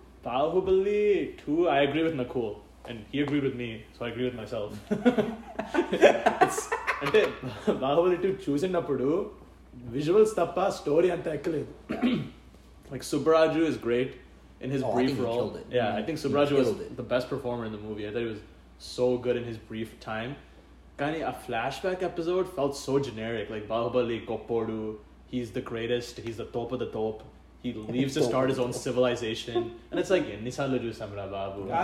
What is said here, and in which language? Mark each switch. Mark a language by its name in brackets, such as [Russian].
[English] Bahubali 2, I agree with Nakul. And he agreed with me, so I agree with myself. [Telugu] అంటే బాహుబలి 2 చూసినప్పుడు visuals తప్ప story అంత ఎక్కలేదు. [English] Like, Subraju is great in his brief role. Yeah, I think Subraju was the best performer in the movie. I thought he was so good in his brief time. [Telugu] కానీ ఆ flashback episode [English] felt so generic. Like, [Telugu] Baahubali గొప్పోడు, [English] he's the greatest, he's the top of the top. He leaves to start his own civilization. And it's like, [Telugu] ఎన్ని సార్లు చూసాం రా బాబు.